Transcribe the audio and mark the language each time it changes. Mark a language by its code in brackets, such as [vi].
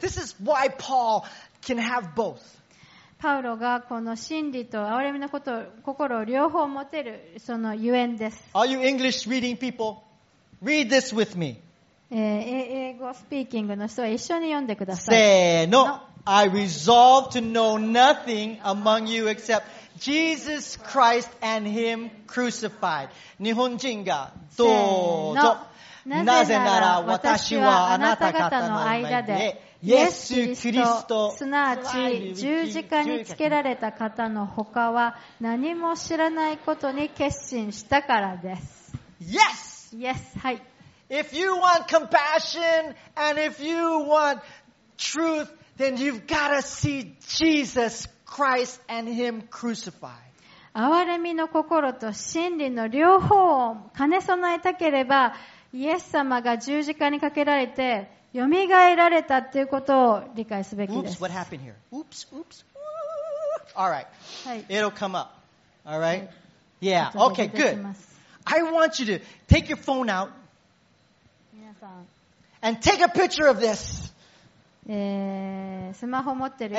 [en] This is why Paul can have both. [ja] パウロがこの真理と憐れみのことを、心を両方持てる、そのゆえんです。 [en] Are you English reading people? Read this with me. [ja] 英語スピーキングの人は一緒に読んでください。せーの。 [en] I resolve to know nothing among you except Jesus Christ and Him crucified. [ja] 日本人がどうぞ。なぜなら私はあなた方の間で、イエス・キリスト、すなわち十字架につけられた方の他は何も知らないことに決心したからです。 [en] Yes! Yes! はい。 If you want compassion and if you want truth, then you've got to see Jesus Christ and Him crucified. [ja] 憐れみの心と真理の両方を兼ね備えたければ、イエス様が十字架にかけられて蘇られたということを理解すべきです。 [en] Oops, what happened here? Oops, oops. All right. It'll come up. All right. Yeah. Okay. Good. I want you to take your phone out. And take a picture of this. [ja] スマホ持ってる人。